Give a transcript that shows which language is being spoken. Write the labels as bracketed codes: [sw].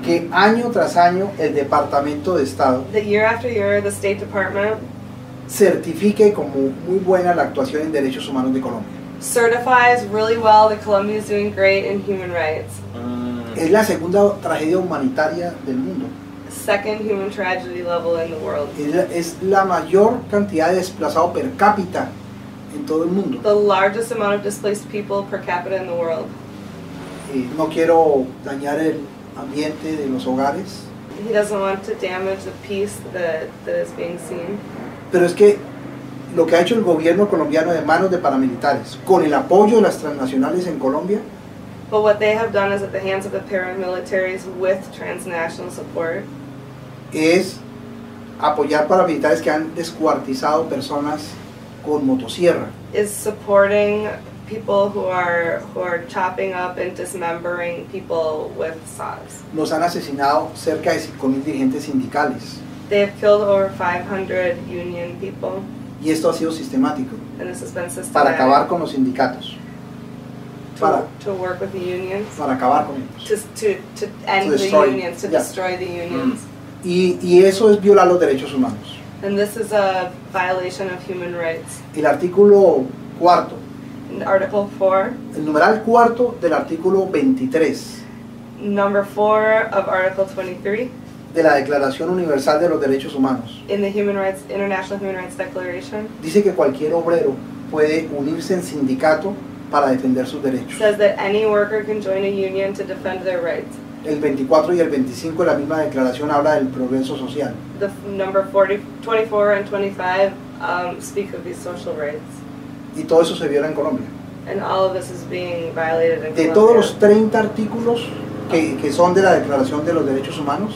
[es] Que año tras año el Departamento de Estado. [en] That year after year, the State Department. [es] Certifique como muy buena la actuación en derechos humanos de Colombia. [en] Certifies really well that Colombia is doing great in human rights. [es] Es la segunda tragedia humanitaria del mundo. [en] Second human tragedy level in the world. [es] Es la mayor cantidad de desplazado per cápita en todo el mundo. [en] The largest amount of displaced people per capita in the world. [es] No quiero dañar el ambiente de los hogares. [en] He doesn't want to damage the peace that is being seen. [es] Pero es que lo que ha hecho el gobierno colombiano de manos de paramilitares, con el apoyo de las transnacionales en Colombia. [en] But what they have done is at the hands of the paramilitaries with transnational support. [es] Es apoyar paramilitares que han descuartizado personas con motosierra. [en] Is supporting people who are chopping up and dismembering people with saws. [es] Nos han asesinado cerca de 5,000 dirigentes sindicales. [en] They have killed over 500 union people. [es] Y esto ha sido sistemático. [en] And this has been systematic. [es] Para acabar con los sindicatos. [en] To work with the unions. [es] Para acabar con ellos. [en] To destroy the unions. Mm. [es] Y eso es violar los derechos humanos. [en] And this is a violation of human rights. [es] El artículo cuarto. [en] Article 4. [es] El numeral cuarto del artículo 23. [en] Number 4 of Article 23. [es] De la Declaración Universal de los Derechos Humanos. [en] In the Human Rights, International Human Rights Declaration. [es] Dice que cualquier obrero puede unirse en sindicato para defender sus derechos. [en] Says that any worker can join a union to defend their rights. [es] El 24 y el 25 la misma declaración habla del progreso social. [en] The number 24 and 25 speak of these social rights. [es] Y todo eso se viola en Colombia. [en] And all of this is being violated in de Colombia. [es] De todos los 30 artículos que son de la Declaración de los Derechos Humanos.